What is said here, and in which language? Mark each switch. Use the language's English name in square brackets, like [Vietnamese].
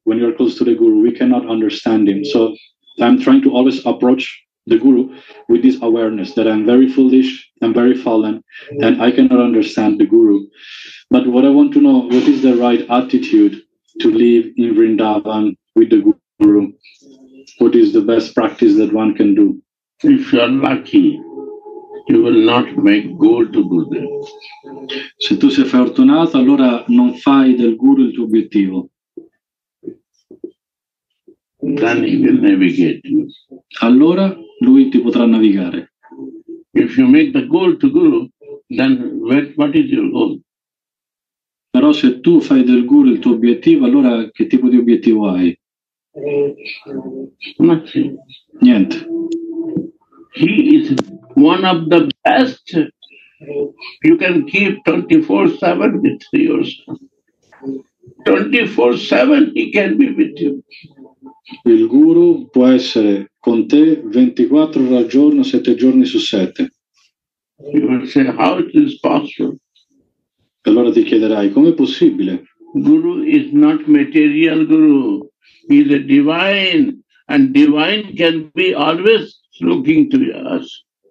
[English] When you're close to the Guru, we cannot understand him. So I'm trying to always approach the Guru with this awareness that I'm very foolish, I'm very fallen, and I cannot understand the Guru. But what I want to know, what is the right attitude to live in Vrindavan with the Guru? What is the best practice that one can do? If you are lucky, you will not make goal to Guru. [Italian] Se tu sei fortunato, allora non fai del Guru il tuo obiettivo. [English] Then he will navigate you. [Italian] Allora lui ti potrà navigare. [English] If you make the goal to Guru, then what is your goal? [Italian] Però se tu fai del Guru il tuo obiettivo, allora che tipo di obiettivo hai? [English] Nothing. [Italian] Niente. [English] He is one of the best you can keep 24/7 with your son. 24/7 he can be with you. [Italian] Il Guru può essere con te 24 ore al giorno, 7 giorni su 7. [English] You will say, how is this possible? [Italian] Allora ti chiederai, com'è possibile? [English] Guru is not material Guru. He is a divine, and divine can be always looking to us.